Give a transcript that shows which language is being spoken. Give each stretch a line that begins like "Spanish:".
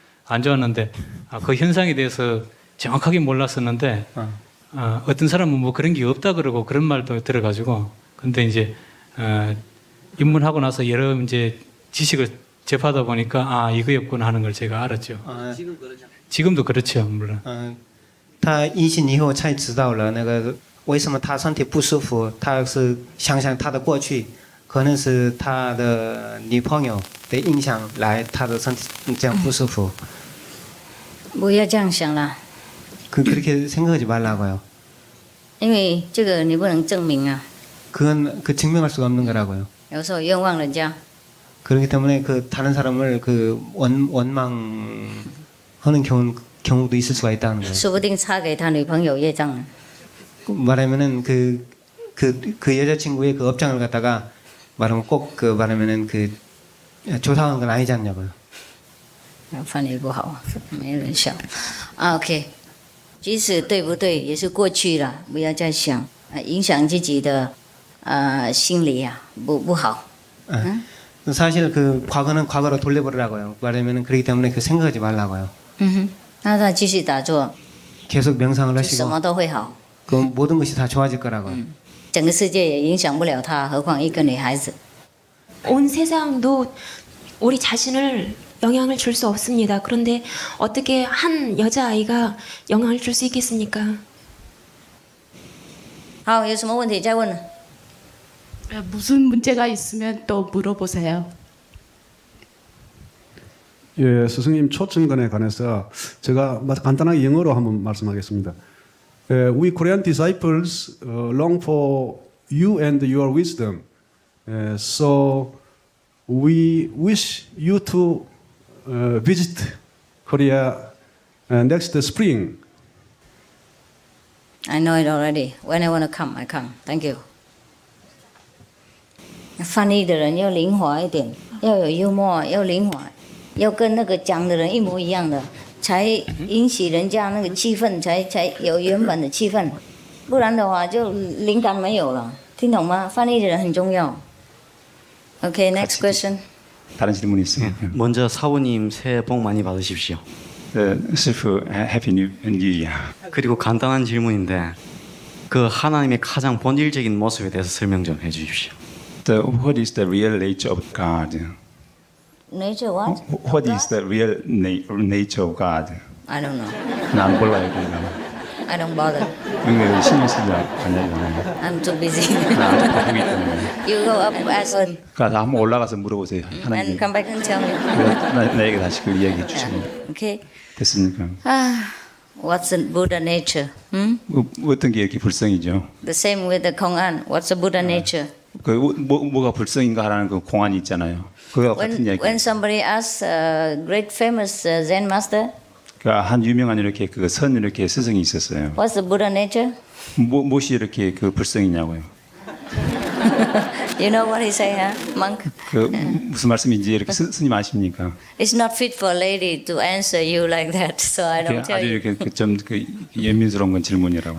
Korean: 안 좋았는데 그 현상에 대해서 정확하게 몰랐었는데. 어떤 사람은 뭐 그런 게 없다 그러고 그런 말도 들어가지고, 근데 이제 입문하고 나서 여러 이제 지식을 접하다 보니까 이거였구나 하는 걸 제가 알았죠. 지금 그러죠. 지금도 그렇죠, 물론.
Chinese: 他一醒以后才知道了那个为什么他身体不舒服，他是想想他的过去，可能是他的女朋友的影响来他的身体这样不舒服。不要这样想了。
Korean: 그렇게 생각하지 말라고요.
Chinese: 因为这个你不能证明啊。
Korean: 그건 그 증명할 수가 없는 거라고요.
Chinese: 有时候冤枉人家。
Korean: 그렇기 때문에 그 다른 사람을 그 원망하는 경우도 있을 수가 있다는 거예요.
Chinese: 说不定差给他女朋友业障。
Korean: 말하면은 그 여자친구의 그 업장을 갖다가 말하면 꼭그 말하면은 그 조사한 건 아니지 않냐고요.
Chinese: 翻译不好，没人笑。OK。即使对不对，也是过去了，不要再想，影响自己的，心理呀，不好。
Korean: 사실 그 과거는 과거로 돌려버리라고요. 말하면 그렇기 때문에 그 생각하지 말라고요.
Chinese: 那他继续打坐，
Korean: 계속 명상을 하시고,
Chinese: 什么都会好。
Korean: 그 모든 것이 다 좋아질 거라고요.
Chinese: 整个世界也影响不了他，何况一个女孩子。
Korean: 온 세상도 우리 자신을 영향을 줄수 없습니다. 그런데 어떻게 한 여자아이가 영향을 줄수 있겠습니까?
Chinese: 好, 有什么问题再问。
Korean: 무슨 문제가 있으면 또 물어보세요. 예, 스승님 초증권에 관해서 제가 간단하게 영어로 한번 말씀하겠습니다.
English: We Korean disciples long for you and your wisdom. So we wish you to visit Korea next spring. I know it already. When I want to come, I come. Thank you.
Chinese: 翻译的人要灵活一点，要有幽默，要灵活，要跟那个讲的人一模一样的，才引起人家那个气氛，才有原本的气氛，不然的话就灵感没有了。听懂吗？翻译的人很重要。OK，
English: next question.
Korean: 다른 질문 있어요? 먼저 사부님 새해 복 많이 받으십시오.
English: 스프, Happy New Year.
Korean: 그리고 간단한 질문인데 그 하나님의 가장 본질적인 모습에 대해서 설명 좀 해주십시오.
English: What is the real nature of God? Nature what? What is the real nature of God? I don't know.
Korean: 난 몰라요, 그냥.
English: I don't bother.
Korean: 응, 신경 쓰지 않냐.
English: I'm too busy.
Korean: 바쁘기 때문에.
English: You go up as one.
Korean: 그러니까 한번 올라가서 물어보세요, 하나님.
English: And come back and tell me.
Korean: 나에게 다시 그 이야기 주시면.
English: Okay.
Korean: 됐습니까?
English: What's the Buddha nature? Hmm?
Korean: 어떤 게 이렇게 불성이죠?
English: The same with the Kong'an. What's the Buddha nature?
Korean: 그 뭐가 불성인가라는 그 공안이 있잖아요. 그거 같은 얘기.
English: When somebody asks a great famous Zen master.
Korean: 그 한 유명한 이렇게 그 선 이렇게 스승이 있었어요.
English: What's the Buddha nature?
Korean: 무엇이 이렇게 그 불성이냐고요.
English: You know what he say, huh? Monk.
Korean: 그 무슨 말씀인지 이렇게 스님 아십니까?
English: It's not fit for a lady to answer you like that, so I don't tell you.
Korean: 아주 이렇게 좀 그 예민스러운 건 질문이라고.